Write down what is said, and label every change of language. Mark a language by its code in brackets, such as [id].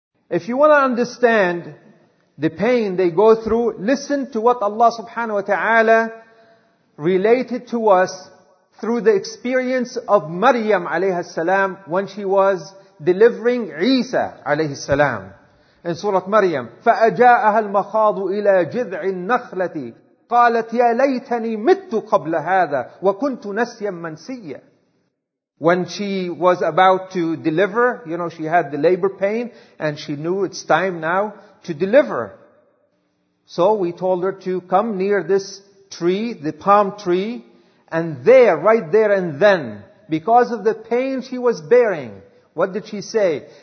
[en] If you want to understand the pain they go through, listen to what Allah subhanahu wa ta'ala related to us through the experience of Maryam alayhi salam when she was delivering Isa alayhi salam. In Surah Maryam, [ar] فَأَجَاءَهَا الْمَخَاضُ إِلَى جِذْعِ النَّخْلَةِ قَالَتْ يَا لَيْتَنِي مِتُّ قَبْلَ هَذَا وَكُنْتُ نَسْيًا مَنْسِيًّا. [en] When she was about to deliver, you know, she had the labor pain and she knew it's time now to deliver. So we told her to come near this tree, the palm tree, and there, right there and then, because of the pain she was bearing, what did she say?